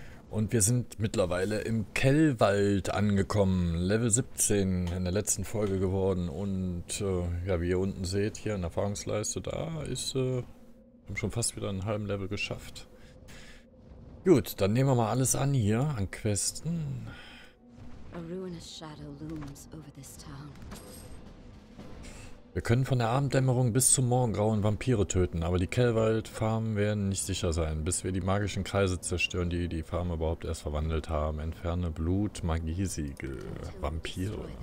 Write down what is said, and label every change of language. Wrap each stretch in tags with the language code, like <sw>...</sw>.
<de>Und wir sind mittlerweile im Kellwald angekommen, Level 17 in der letzten Folge geworden. Und ja, wie ihr unten seht, hier in der Erfahrungsleiste, da ist, haben schon fast wieder einen halben Level geschafft. Gut, dann nehmen wir mal alles an hier, an Questen.</de> <en>A ruinous shadow looms over this town.</en> <de>Wir können von der Abenddämmerung bis zum Morgengrauen Vampire töten, aber die Kellwald-Farmen werden nicht sicher sein, bis wir die magischen Kreise zerstören, die die Farmen überhaupt erst verwandelt haben. Entferne Blut, Magiesiegel, Vampire.</de>